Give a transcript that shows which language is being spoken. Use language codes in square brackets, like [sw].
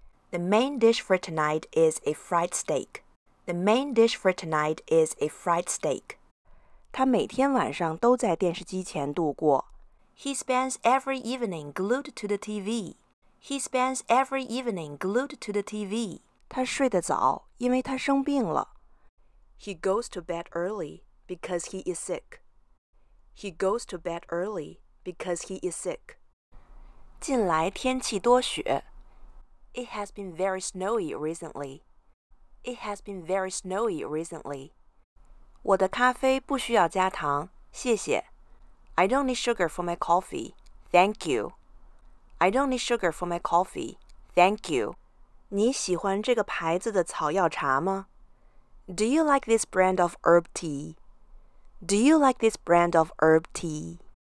[en] The main dish for tonight is a fried steak. The main dish for tonight is a fried steak. [zh] 他每天晚上都在电视机前度过。 [en] He spends every evening glued to the TV. He spends every evening glued to the TV. [zh] 他睡得早，因为他生病了。 [en] He goes to bed early because he is sick. He goes to bed early because he is sick. [zh] 近来天气多雪。 [en] It has been very snowy recently. It has been very snowy recently. [zh] 我的咖啡不需要加糖，谢谢。 [en] I don't need sugar for my coffee. Thank you. I don't need sugar for my coffee. Thank you. [zh] 你喜欢这个牌子的草药茶吗？ [en] Do you like this brand of herb tea? Do you like this brand of herb tea?